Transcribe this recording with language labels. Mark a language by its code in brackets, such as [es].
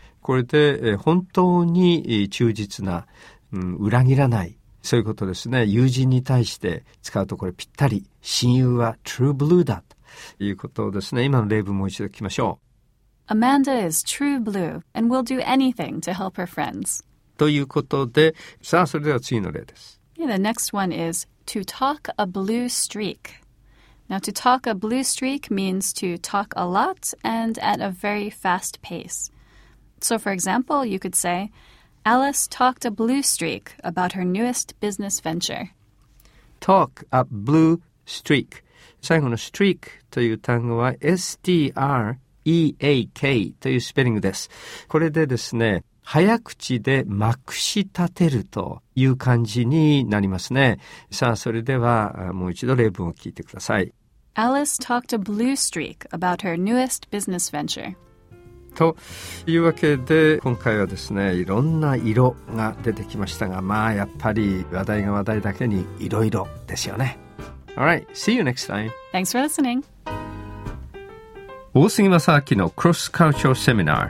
[ja] これで本当に忠実な、うん、裏切らない、そういうことですね。友人に対して使うとこれぴったり、親友は true blue だということですね。今の例文もう一度聞きましょう。 [en] Amanda is true blue and will do anything to help her friends. [ja] ということで、さあそれでは次の例です。 [en] Yeah, the next one is to talk a blue streak. Now to talk a blue streak means to talk a lot and at a very fast pace. So, for example, you could say, Alice talked a blue streak about her newest business venture. Talk a blue streak. [ja] 最後の streak という単語は streak というスペリングです。これでですね、早口でまくし立てるという感じになりますね。さあ、それではもう一度例文を聞いてください。 [en] Alice talked a blue streak about her newest business venture. [ja] というわけで、今回はですね、いろんな色が出てきましたが、まあやっぱり話題が話題だけにいろいろですよね。 [en] Alright, see you next time. Thanks for listening. [ja] 大杉正明のクロスカルチャーセミナ